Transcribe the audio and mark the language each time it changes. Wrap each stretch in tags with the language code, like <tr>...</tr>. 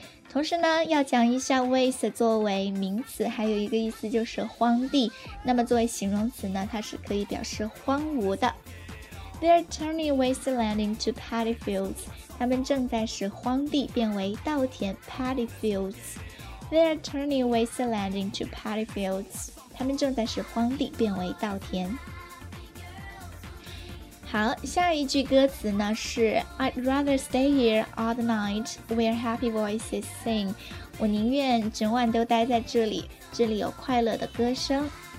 <zh>同时呢要讲一下 waste 作为名词还有一个意思就是荒地那么作为形容词呢它是可以表示荒芜的</zh> <en>They're turning wasteland into paddy fields</en> <zh>他们正在使荒地变为稻田</zh> <en>paddy fieldsThey're turning wasteland into paddy fields.</en> <zh>他们正在使荒地变为稻田。好，下一句歌词呢是</zh> <en>I'd rather stay here all the night where happy voices sing.</en> <zh>我宁愿整晚都待在这里，这里有快乐的歌声。</zh>